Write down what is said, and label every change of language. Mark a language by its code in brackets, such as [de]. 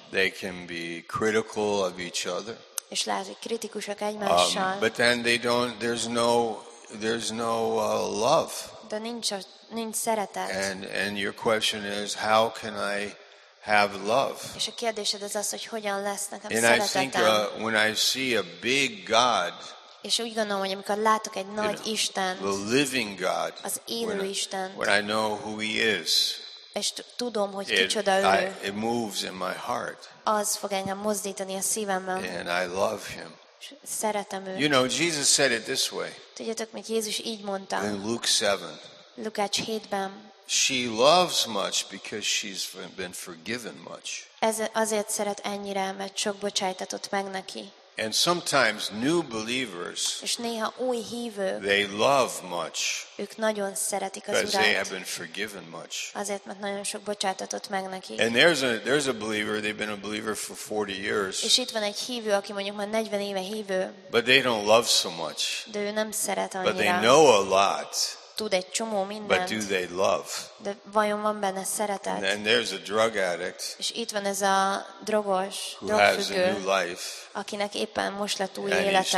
[en] They can be critical of each other. [hu] És lehet, hogy kritikusak egymással. [en] But then they don't. There's no love. [hu] De nincs szeretet. [en] And your question is, how can I have love. [hu] És a kérdésed az, hogy hogyan lesz nekem szeretetem. [en] And I think when I see a big God. [hu] És úgy gondolom, hogy amikor látok egy nagy Istent. [en] The living God. [hu] Az élő Isten. [en] When I know who he is. [hu] És tudom, hogy kicsoda ő. [en] It moves in my heart. [hu] Az fog engem mozdítani a szívemben. [en] And I love him. [hu] Szeretem őt. [en] You know, Jesus said it this way. [hu] Tudjátok, hogy Jézus így mondta. [en] In Luke 7. [hu] Lukács 7-ben. [en] She loves much because she's been forgiven much. [hu] Ez azért szeret ennyire, mert sok bocsájtatott meg neki. [en] And sometimes new believers, [hu] és néha új hívők, [en] they love much. [hu] Ők nagyon szeretik az Urat. [en] Because they have been forgiven much. [hu] Azért, mert nagyon sok bocsájtatott meg neki. [en] And there's a believer, they've been a believer for 40 years. [hu] És itt van egy hívő, aki mondjuk már 40 éve hívő. [en] But they don't love so much. [hu] De ő nem szeret annyira. [en] But they know a lot. [hu] Tud egy csomó mindent. [en] But do they love? [hu] De vajon van benne szeretet? [en] And there's a drug addict. [hu] És itt van ez a drogos, drogfüggő, akinek éppen most lett új élete.